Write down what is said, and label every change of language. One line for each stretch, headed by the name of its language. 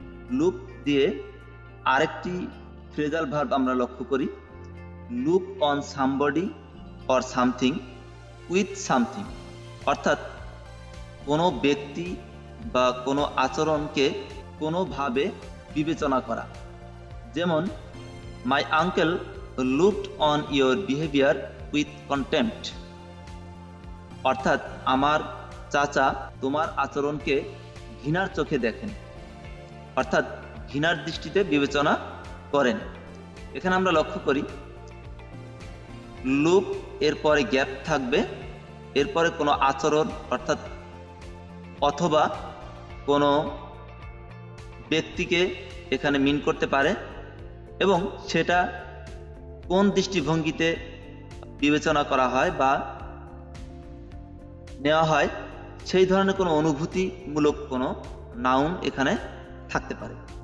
Bangla: Look দিয়ে আরেকটি phrasal verb আমরা লক্ষ্য করি,
English: look on somebody or something with something,
Bangla: অর্থাৎ কোনো ব্যক্তি বা কোনো আচরণকে কোনোভাবে বিবেচনা করা. যেমন
English: My uncle looked on your behavior with contempt.
Bangla: অর্থাৎ আমার চাচা তোমার আচরণকে ঘৃণার চোখে দেখেন, অর্থাৎ ঘৃণার দৃষ্টিতে বিবেচনা করেন। এখানে আমরা লক্ষ্য করি লুক এরপরে গ্যাপ থাকবে, এরপরে কোনো আচরণ অর্থাৎ অথবা কোনো ব্যক্তিকে এখানে মিন করতে পারে এবং সেটা কোন দৃষ্টিভঙ্গিতে বিবেচনা করা হয় বা নেওয়া হয় সেই ধরনের কোনো অনুভূতিমূলক কোনো নাউন এখানে থাকতে পারে।